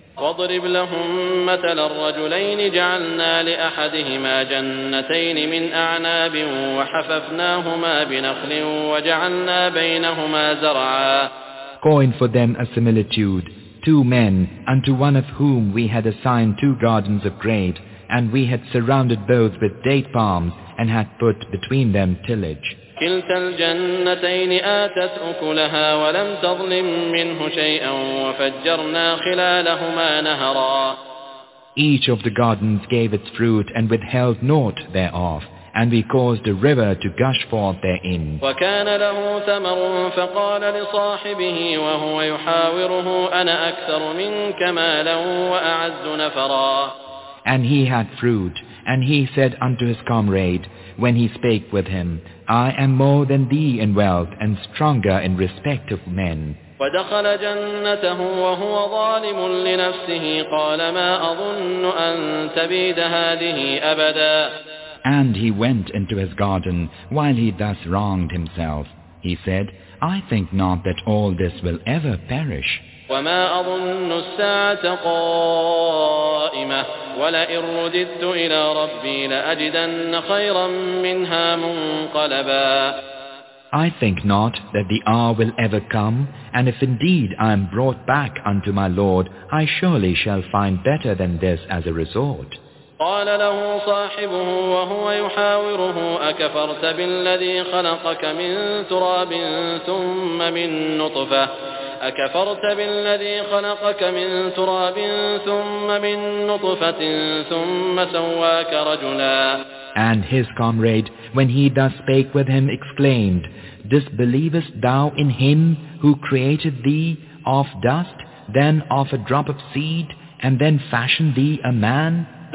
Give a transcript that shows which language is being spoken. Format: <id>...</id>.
<ar>وَاضْرِبْ لَهُمْ مَثَلَ الرَّجُلَيْنِ جَعَلْنَا لِأَحَدِهِمَا جَنَّتَيْنِ مِنْ أَعْنَابٍ وَحَفَفْنَاهُمَا بِنَخْلٍ وَجَعَلْنَا بَيْنَهُمَا زَرْعًا.</ar> <en>Coin for them a similitude, two men, unto one of whom we had assigned two gardens of grapes, and we had surrounded both with date palms, and hath put between them tillage.</en> <ar>كلتا الجنتين آتت أكلها ولم تظلم منه شيئا وفجرنا خلالهما نهرا.</ar> <en>Each of the gardens gave its fruit and withheld naught thereof, and we caused a river to gush forth therein.</en> <ar>وكان له ثمر فقال لصاحبه وهو يحاوره أنا أكثر منك مالا وأعز نفرا.</ar> <en>And he had fruit, and he said unto his comrade, when he spake with him, I am more than thee in wealth and stronger in respect of men.</en> <ar>ودخل جنته وهو ظالم لنفسه قال ما أظن أن تبيد هذه أبدا.</ar> <en>And he went into his garden while he thus wronged himself. He said, I think not that all this will ever perish.</en> <ar>وما أظن الساعة قائمة ولئن رددت إلى ربي لأجدن خيرا منها منقلبا.</ar> <en>I think not that the hour will ever come, and if indeed I am brought back unto my Lord, I surely shall find better than this as a resort.</en> <ar>قال له صاحبه وهو يحاوره أكفرت بالذي خلقك من تراب ثم من نطفة أكفرت بالذي خلقك من تراب ثم من نطفة ثم سواك رجلا.</ar> <en>And his comrade, when he thus spake with him, exclaimed, Disbelievest thou in him who created thee of dust, then of a drop of seed, and then fashioned thee a man?</en>